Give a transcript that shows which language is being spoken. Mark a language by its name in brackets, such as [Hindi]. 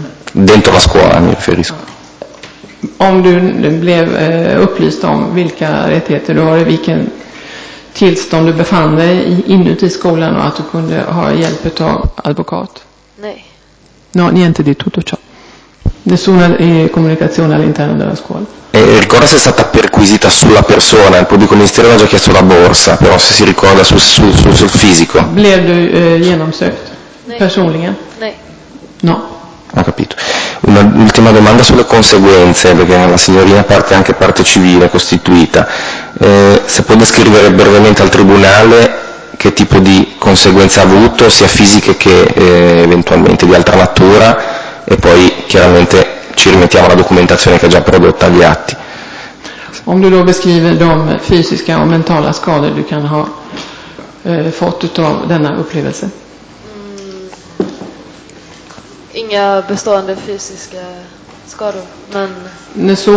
[Italian] Dentro la scuola mi riferisco. [Swedish] Om du blev upplyst om vilka rättigheter du har, vilken tillstånd du befann dig i inuti skolan och att du kunde ha hjälp av advokat? Nej. [Italian] No, niente di tutto ciò. Nessuna comunicazione all'interno della scuola. Ricorda se è stata perquisita sulla persona, il pubblico ministero ha già chiesto la borsa, però se si ricorda sul fisico. [Swedish] Blev du genomsökt? Personligen? Nej. [Italian] No. Ho capito. Un'ultima domanda sulle conseguenze, perché la signorina parte anche parte civile costituita. Se può descrivere brevemente al tribunale che tipo di conseguenze ha avuto, sia fisiche che eventualmente di altra natura, e poi chiaramente ci rimettiamo alla documentazione che ha già prodotto agli atti. [Swedish] Om du då beskriver de fysiska och mentala skador du kan ha fått utav denna upplevelse. Inga bestående fysiska skador, men